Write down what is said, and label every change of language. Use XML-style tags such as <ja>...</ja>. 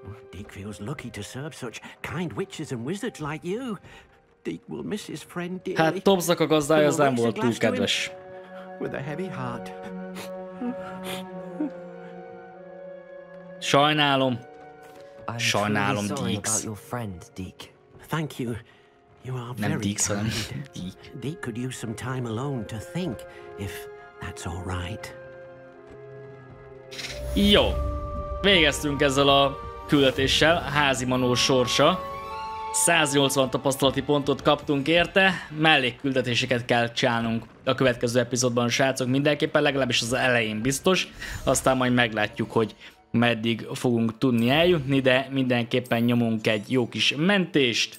<en>Deke feels lucky to serve such kind witches and wizards like you. Deke will miss his friend dearly.</en> <hu>Hát Tobbsnak a gazdája az nem volt túl kedves.</hu> <en>With a heavy heart.</en> <hu>Sajnálom. Sajnálom, Deeks.</hu> <en>About your friend, Deke. Thank you. You are very</en> <hu>nem Deeks,</hu> <en>kind. Deke. Deke could use some time alone to think, if that's all right.</en> <hu>Jó. Végeztünk ezzel a küldetéssel. Házi Manó sorsa. 180 tapasztalati pontot kaptunk érte. Mellék küldetéseket kell csinálnunk a következő epizódban, srácok. Mindenképpen legalábbis az elején biztos. Aztán majd meglátjuk, hogy meddig fogunk tudni eljutni, de mindenképpen nyomunk egy jó kis mentést.</hu>